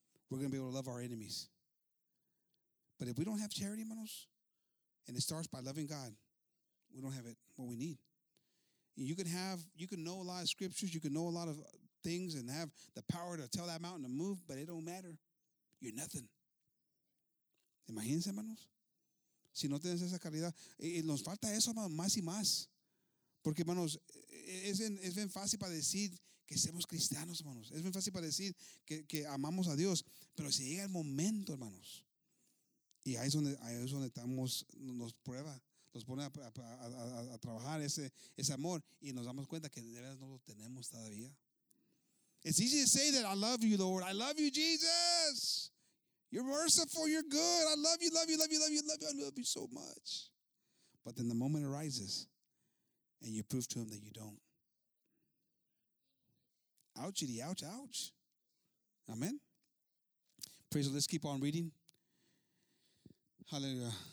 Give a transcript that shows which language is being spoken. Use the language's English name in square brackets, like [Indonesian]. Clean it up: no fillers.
[English] We're going to be able to love our enemies. But if we don't have charity, hermanos, and it starts by loving God, we don't have it what we need. You can know a lot of scriptures, you can know a lot of things and have the power to tell that mountain to move, but it don't matter. You're nothing. [Spanish] Imagínense, hermanos. Si no tienes esa calidad, nos falta eso más y más. Porque, hermanos, es bien fácil para decir que seamos cristianos, hermanos. Es bien fácil para decir que amamos a Dios. Pero si llega el momento, hermanos, y ahí es donde estamos, nos pone a trabajar ese amor, y nos damos cuenta que de verdad no lo tenemos todavía. [English] It's easy to say that I love you, Lord. I love you, Jesus. You're merciful. You're good. I love you, love you, love you, love you, love you. I love you so much. But then the moment arises, and you prove to him that you don't. Ouchity, ouch, ouch. Amen. Praise the Lord. Let's keep on reading. Hallelujah.